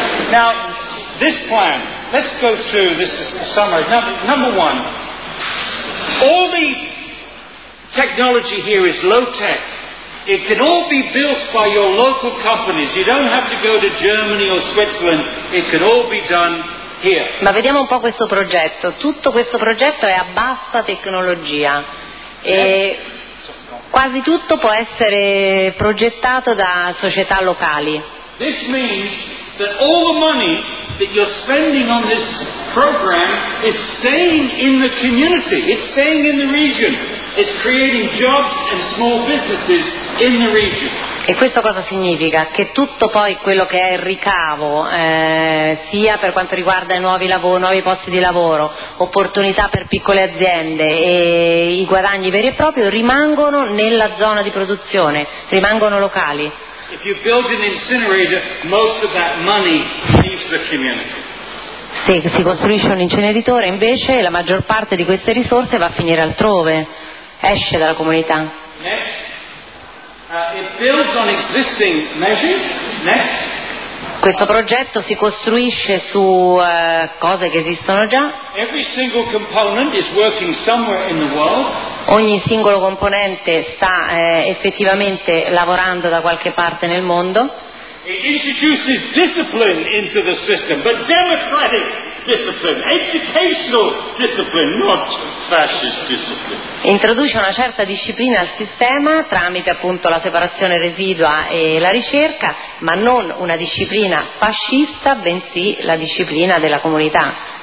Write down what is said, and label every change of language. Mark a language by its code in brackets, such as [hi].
[en] Now, this plan, let's go through this summary. Number one, all the technology here is low tech. It can all be built by your local companies. You don't have to go to Germany or Switzerland. It can all be done here. [it] Ma vediamo un po' questo progetto. Tutto questo progetto è a bassa tecnologia. Yeah. E quasi tutto può essere progettato da società locali. [en] This means that all the money that you're spending on this program is staying in the community. It's staying in the region. It's creating jobs and small businesses in the region. [it] E questo cosa significa? Che tutto poi quello che è il ricavo, sia per quanto riguarda i nuovi lavori, nuovi posti di lavoro, opportunità per piccole aziende e i guadagni veri e propri, rimangono nella zona di produzione, rimangono locali. [en] If you build an incinerator, most of that money leaves the community. [it] Se si costruisce un inceneritore, invece, la maggior parte di queste risorse va a finire altrove, esce dalla comunità. [en] Next. It builds on existing measures. Next. [it] Questo progetto si costruisce su cose che esistono già. [en] Every single component is working somewhere in the world. [it] Ogni singolo componente sta effettivamente lavorando da qualche parte nel mondo. [en] It introduces discipline into the system, but democratic discipline, educational discipline, not fascist discipline. [it] Introduce una certa disciplina al sistema tramite appunto la separazione residua e la ricerca, ma non una disciplina fascista, bensì la disciplina della comunità.